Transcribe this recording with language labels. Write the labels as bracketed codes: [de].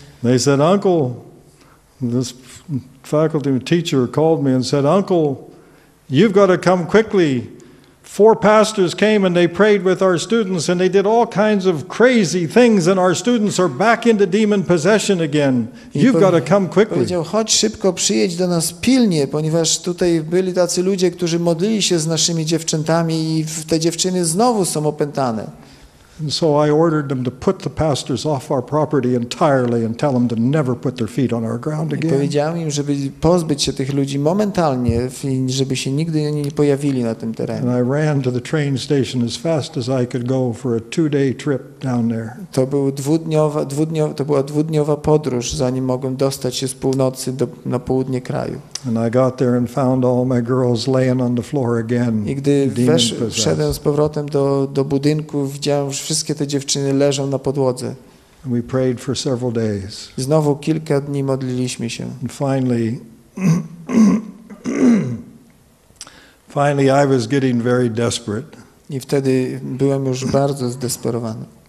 [en] They said, "Uncle, this faculty teacher called me and said, 'Uncle, you've got to come quickly. Four pastors came and they prayed with our students and they did all kinds of crazy things and our students are back into demon possession again. You've got to come quickly.'" [pl] Powiedział, chodź szybko, przyjedź do nas pilnie, ponieważ tutaj byli tacy ludzie, którzy modlili się z naszymi dziewczętami i te dziewczyny znowu są opętane. [en] And so I ordered them to put the pastors off our property entirely and tell them to never put their feet on our ground again. [pl] I powiedziałem im, żeby pozbyć się tych ludzi momentalnie, żeby się nigdy nie pojawili na tym terenie. [en] And I ran to the train station as fast as I could go for a 2-day trip down there. [pl] To była dwudniowa podróż, zanim mogłem dostać się z północy na południe kraju. [en] And I got there and found all my girls laying on the floor again. [pl] I gdy wszedłem z powrotem do budynku, widziałem, że wszystkie te dziewczyny leżą na podłodze. [en] And we prayed for several days. [pl] I znowu kilka dni modliliśmy się. [en] And finally, I was getting very desperate. [pl] I wtedy byłem już bardzo zdesperowany.